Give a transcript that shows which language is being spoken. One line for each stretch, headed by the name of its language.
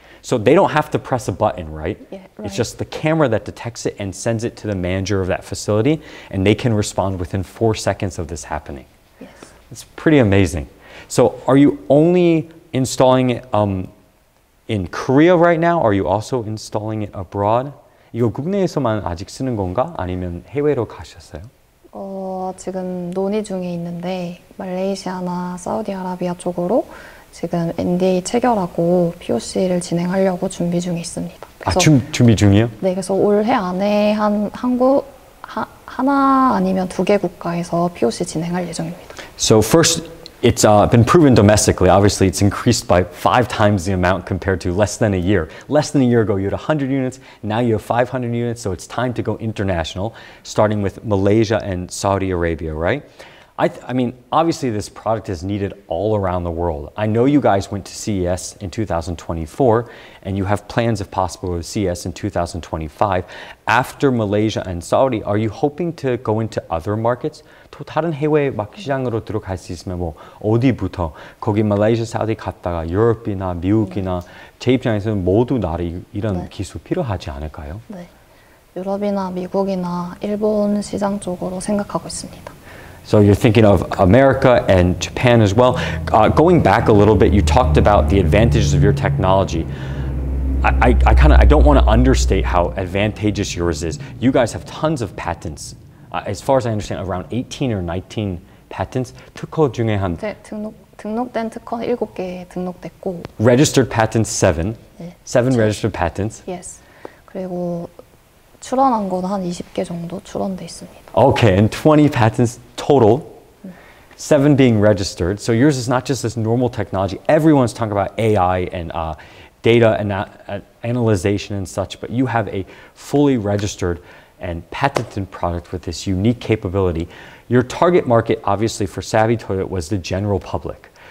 English: So they don't have to press a button, right? Yeah, right? It's just the camera that detects it and sends it to the manager of that facility, and they can respond within 4 seconds of this happening. Yeah. It's pretty amazing. So are you only installing it in Korea right now? Are you also installing it abroad?
Korean: 이거 국내에서만 아직 쓰는 건가? 아니면 해외로 가셨어요? 지금 논의 중에 있는데 말레이시아나 사우디아라비아 쪽으로 지금 NDA 체결하고 POC를 진행하려고 준비 중에 있습니다. 그래서, 준비 중이요? 네, 그래서 올해 안에 하나 아니면 두 개 국가에서 POC 진행할 예정입니다.
English: So first, it's been proven domestically. Obviously, it's increased by 5 times the amount compared to less than a year. Less than a year ago, you had 100 units. Now you have 500 units, so it's time to go international, starting with Malaysia and Saudi Arabia, right? I mean, obviously, this product is needed all around the world. I know you guys went to CES in 2024, and you have plans, if possible, with CES in 2025. After Malaysia and Saudi, are you hoping to go into other markets?
Korean: 또 다른 해외 막 시장으로 들어갈 수 있으면 뭐 어디부터 거기 말레이시아, 사우디 갔다가 유럽이나 미국이나 제 입장에서는 모두 나라 이런 네. 기술 필요하지 않을까요? 네, 유럽이나 미국이나 일본 시장 쪽으로 생각하고 있습니다.
English: So you're thinking of America and Japan as well. Going back a little bit, you talked about the advantages of your technology. I don't want to understate how advantageous yours is. You guys have tons of patents. As far as I understand, around 18 or 19 patents.
Korean: 특허 중에 한 등록된 특허 7개 등록됐고
English: registered patents 7. 7 registered patents. Yes.
Korean: 그리고 출원한 건 한 20개 정도 출원돼 있습니다.
English: Okay, and 20 patents total, 7 being registered. So yours is not just this normal technology. Everyone's talking about AI and data and analyzation and such, but you have a fully registered and patented product with this unique capability. Your target market, obviously, for Savvy Toilet was the general public.